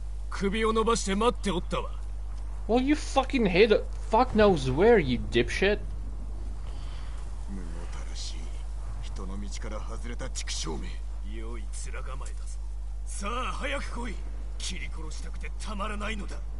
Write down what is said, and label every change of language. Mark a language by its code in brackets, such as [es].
[ja] 首を伸ばして待っておったわ。 [en] Well, you fucking hit a fuck knows where, you dipshit. [ja] 無能たらしい人の道から外れた畜生め。良い面構えだぞ。さあ、早く来い。切り殺したくてたまらないのだ。